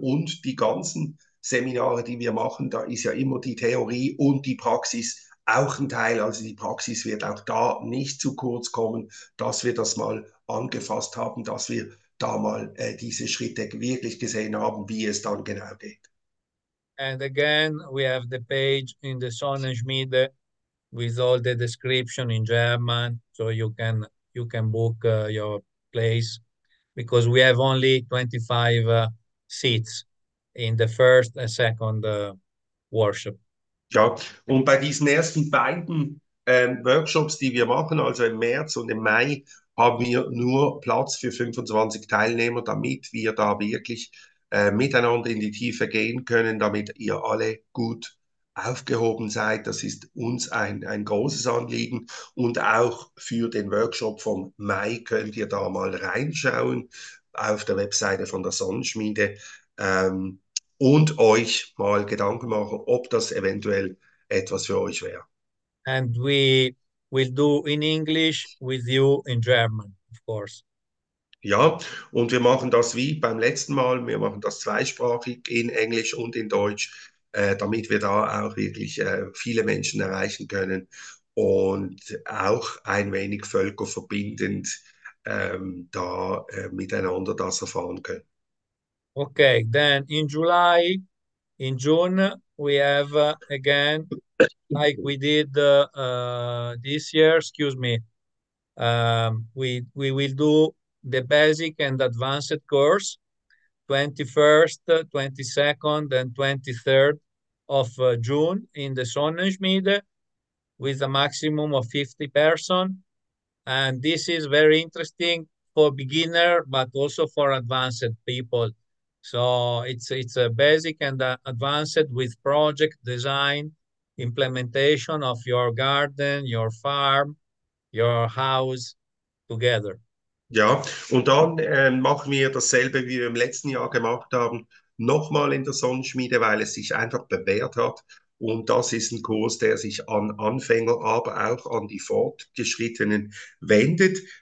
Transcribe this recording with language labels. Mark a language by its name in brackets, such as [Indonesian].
[German] Und die ganzen Seminare, die wir machen, da ist ja immer die Theorie und die Praxis auch ein Teil. Also die Praxis wird auch da nicht zu kurz kommen, dass wir das mal angefasst haben, dass wir da mal diese Schritte wirklich gesehen haben, wie es dann genau geht. [English] And again, we have the page in the Sonnenschmiede with all the description in German, so you can book your place, because we have only 25 seats in the first and second workshop. [German] Ja, und bei diesen ersten beiden Workshops, die wir machen, also im März und im Mai, haben wir nur Platz für 25 Teilnehmer, damit wir da wirklich miteinander in die Tiefe gehen können, damit ihr alle gut aufgehoben seid. Das ist uns ein großes Anliegen. Und auch für den Workshop vom Mai könnt ihr da mal reinschauen auf der Webseite von der Sonnenschmiede. Und euch mal Gedanken machen, ob das eventuell etwas für euch wäre. [English] And we will do in English with you in German, of course. [German] Ja, und wir machen das wie beim letzten Mal. Wir machen das zweisprachig in Englisch und in Deutsch, damit wir da auch wirklich viele Menschen erreichen können und auch ein wenig völkerverbindend da miteinander das erfahren können. [English] Okay, then in July, in June, we have again. Like we did this year, excuse me, we will do the basic and advanced course, 21st, 22nd, and 23rd of June in the Sonnenschmiede, with a maximum of 50 person. And this is very interesting for beginner, but also for advanced people. So it's a basic and advanced with project design, implementation of your garden, your farm, your house together. [German] Ja, und dann machen wir dasselbe, wie wir im letzten Jahr gemacht haben, nochmal in der Sonnenschmiede, weil es sich einfach bewährt hat. Und das ist ein Kurs, der sich an Anfänger, aber auch an die Fortgeschrittenen wendet.